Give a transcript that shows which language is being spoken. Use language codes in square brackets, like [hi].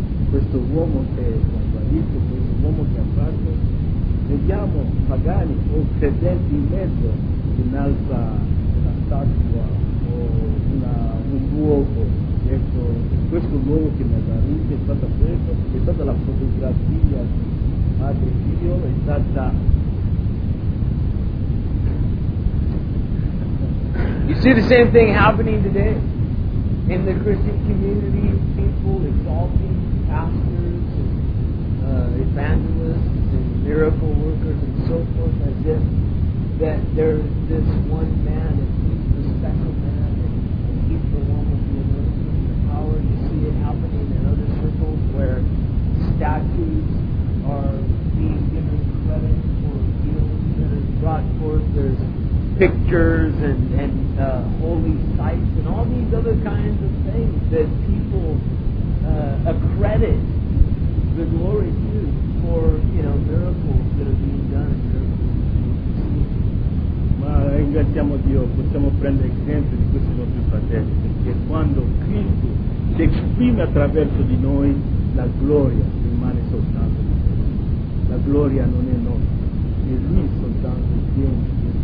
[it] Questo uomo che ha guarito, questo uomo che ha fatto, vediamo pagani o credenti in mezzo che innalza una statua o un luogo, ecco, questo luogo che mi ha guarito è stata la fotografia di Padre Dio, è stata. [en] You see the same thing happening today in the Christian community, people exalting pastors and evangelists and miracle workers and so forth, as if that there's this one man and he's the special man and he's the one with the anointing and the power. You see it happening in other circles where statues are being given credit for healings that are brought forth. There's pictures and holy sites and all these other kinds of things that people accredit the glory to for, you know, miracles that are being done. [it] Ma ringraziamo Dio, possiamo prendere esempio di questi nostri fratelli, perché quando Cristo si esprime attraverso di noi, la gloria rimane soltanto di noi. La gloria non è nostra, è lui soltanto il tempo.